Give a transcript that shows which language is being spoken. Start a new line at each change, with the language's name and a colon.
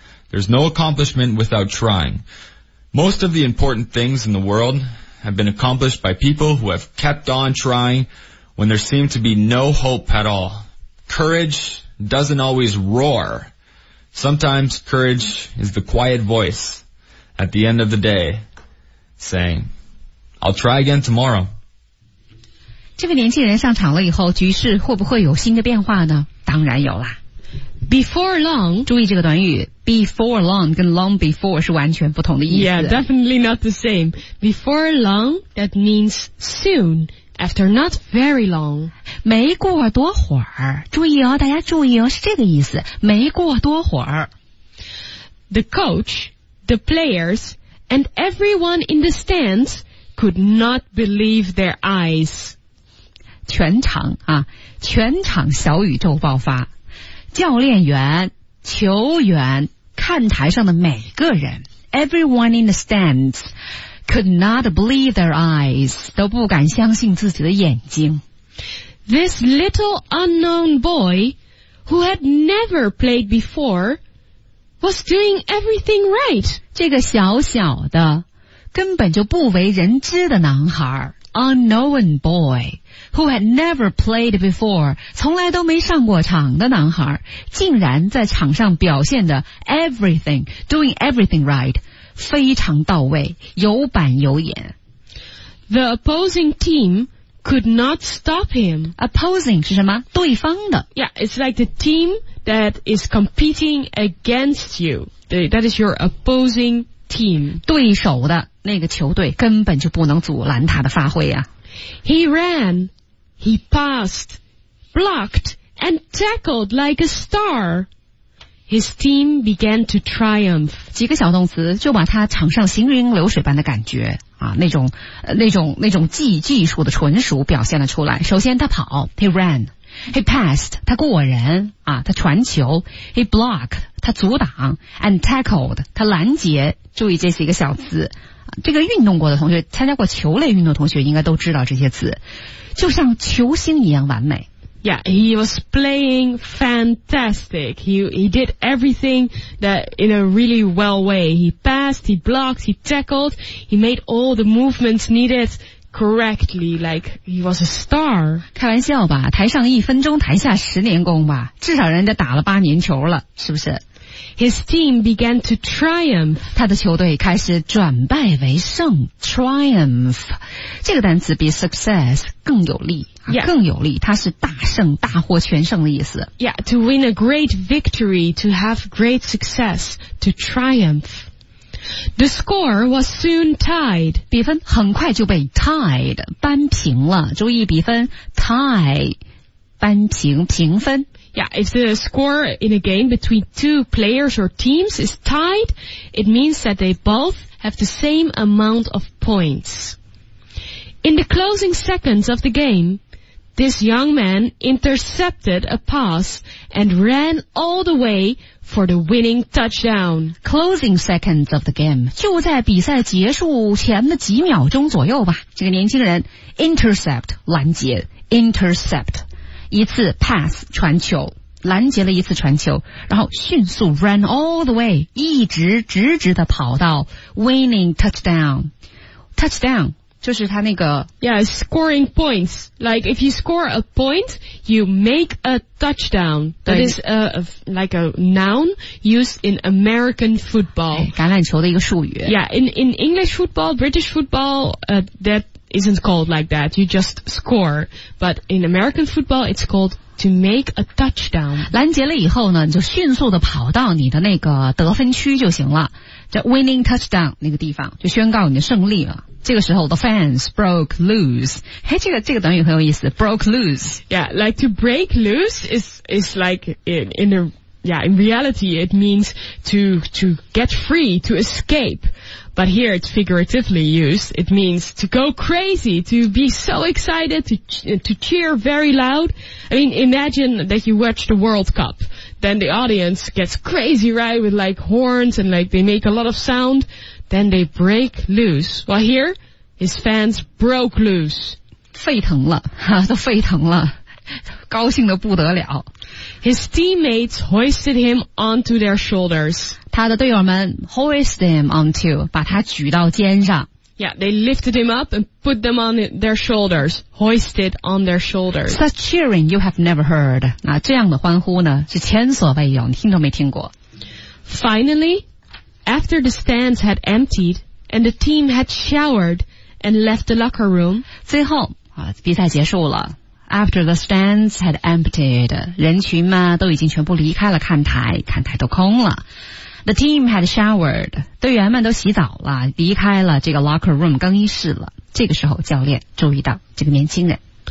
English: There's no accomplishment without trying. Most of the important things in the world have been accomplished by people who have kept on trying when there seemed to be no hope at all. Courage doesn't always roar. Sometimes courage is the quiet voice at the end of the day saying, "I'll try again tomorrow."
Chinese: 这位年轻人上场了以后，局势会不会有新的变化呢？当然有啦。
English: Before long,
Chinese: 注意这个短语
English: before long
Chinese: 跟
English: long before
Chinese: 是完全不同的意思。
English: Yeah, definitely not the same. Before long, that means soon, after not very long.
Chinese: 没过多会儿，注意哦，大家注意哦，是这个意思，没过多会儿。
English: The coach, the players, and everyone in the stands could not believe their eyes.
Chinese: 全场啊，全场小宇宙爆发。教练员、球员、看台上的每个人 ，
English: everyone in the stands could not believe their eyes，
Chinese: 都不敢相信自己的眼睛。
English: This little unknown boy who had never played before was doing everything right。
Chinese: 这个小小的、根本就不为人知的男孩 ，
English: unknown boy。 Who had never played before,
Chinese: 从来都没上过场的男孩，竟然在场上表现的
English: everything, doing everything right,
Chinese: 非常到位，有板有眼。
English: The opposing team could not stop him.
Chinese: Opposing 是什么？对方的。
English: Yeah, it's like the team that is competing against you. That is your opposing team.
Chinese: 对手的那个球队根本就不能阻拦他的发挥啊。
English: He ran, he passed, blocked, and tackled like a star. His team began to triumph.
Chinese: 几个小动词就把他场上行云流水般的感觉啊，那种技术的纯熟表现了出来。首先他跑 ，
English: he ran, he passed,
Chinese: 他过人啊，他传球 ，
English: he blocked,
Chinese: 他阻挡 ，
English: and tackled,
Chinese: 他拦截。注意这几个小词。这个运动过的同学，参加过球类运动同学应该都知道这些词，就像球星一样完美。
English: Yeah, he was playing fantastic. He did everything that in a really well way. He passed, he blocked, he tackled, he made all the movements needed correctly, like he was a star.
Chinese: 开玩笑吧，台上一分钟，台下十年功吧，至少人家打了八年球了，是不是？
English: His team began to triumph.
Chinese: 他的球队开始转败为胜 ,triumph. 这个单词比 success 更有力、
English: yeah.
Chinese: 更有力，它是大胜，大获全胜的意思。
English: Yeah, to win a great victory, to have great success, to triumph. The score was soon tied. 比分很快就被 tied, 扳平了。注意比分 tie, 扳平，平分。 Yeah, if the score in a game between two players or teams is tied, it means that they both have the same amount of points. In the closing seconds of the game, this young man intercepted a pass and ran all the way for the winning touchdown. Closing seconds of the game,
Chinese: 就在比赛结束前的几秒钟左右吧，这个年轻人 intercept, 拦截 intercept. 一次 pass 传球，拦截了一次传球，然后迅速
English: run all the way，
Chinese: 一直直直的跑到
English: winning touchdown。
Chinese: touchdown 就是他那个
English: yeah scoring points， like if you score a point， you make a touchdown。 That is like a noun used in American football，
Chinese: 橄榄球的一个术语。
English: Yeah， in English football， British football， that。 Isn't called like that. You just score. But in American football, it's called to make a touchdown.
Chinese: 拦截了以后呢，你就迅速地跑到你的那个得分区就行了。叫
English: winning touchdown
Chinese: 那个地方，就宣告你的胜利了。这个时候
English: the fans broke loose.
Chinese: 嘿，这个短语很有意思，
English: broke loose. Yeah, like to break loose is like in reality it means to get free, to escape. But here it's figuratively used. It means to go crazy, to be so excited, to cheer very loud. I mean, imagine that you watch the World Cup. Then the audience gets crazy, right, with like horns and like they make a lot of sound. Then they break loose. Well, here, his fans broke loose.
Chinese: 沸腾了，都沸腾了，高兴得不得了。
English: His teammates hoisted him onto their shoulders.
Chinese: 他的队友们
English: hoist him onto,
Chinese: 把他举到肩上。
English: Yeah, they lifted him up and put them on their shoulders, hoisted on their shoulders. Such cheering you have never heard.
Chinese: 那这样的欢呼呢，是前所未有，你听都没听过。
English: Finally, after the stands had emptied and the team had showered and left the locker room,
Chinese: 最后啊，比赛结束了。
English: After the stands had emptied,
Chinese: 人群嘛都已经全部离开了看台，看台都空了。
English: The team had showered,
Chinese: 队员们都洗澡了，离开了这个 locker room 更衣室了。这个时候教练注意到这个年轻人。